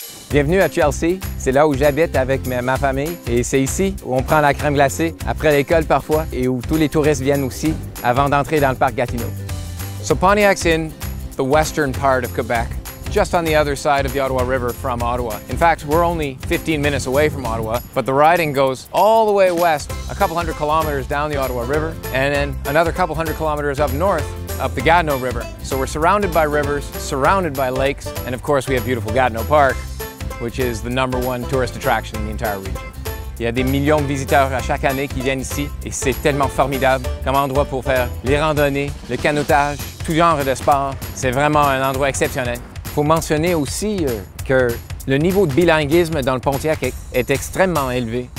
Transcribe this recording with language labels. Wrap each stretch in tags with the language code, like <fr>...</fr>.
<fr>Bienvenue à Chelsea. C'est là où j'habite avec ma famille. Et c'est ici où on prend la crème glacée, après l'école parfois, et où tous les touristes viennent aussi avant d'entrer dans le parc Gatineau.</fr> <en>So Pontiac's in the western part of Quebec, just on the other side of the Ottawa River from Ottawa. In fact, we're only 15 minutes away from Ottawa, but the riding goes all the way west, a couple hundred kilometers down the Ottawa River, and then another couple hundred kilometers up north, up the Gatineau River. So we're surrounded by rivers, surrounded by lakes, and of course we have beautiful Gatineau Park, which is the number one tourist attraction in the entire region.</en> <fr>Il y a des millions de visiteurs à chaque année qui viennent ici et c'est tellement formidable comme endroit pour faire les randonnées, le canotage, tout genre de sport. C'est vraiment un endroit exceptionnel. Il faut mentionner aussi que le niveau de bilinguisme dans le Pontiac est extrêmement élevé.</fr>